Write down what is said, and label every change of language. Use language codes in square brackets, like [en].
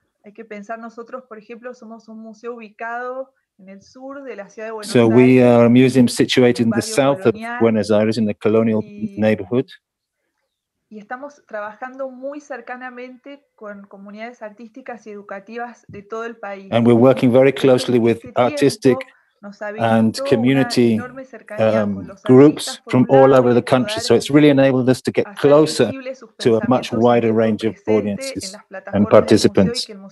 [es] Hay que pensar nosotros, por ejemplo, somos un museo ubicado en el sur de la ciudad de Buenos [en] Aires. So we are a museum situated in the south of Buenos Aires in the colonial neighborhood. [es] Y estamos trabajando muy cercanamente con comunidades artísticas y educativas de todo el país. [en] And we're working very closely with artistic and community groups from all over the country. So it's really enabled us to get closer to a much wider range of audiences and participants.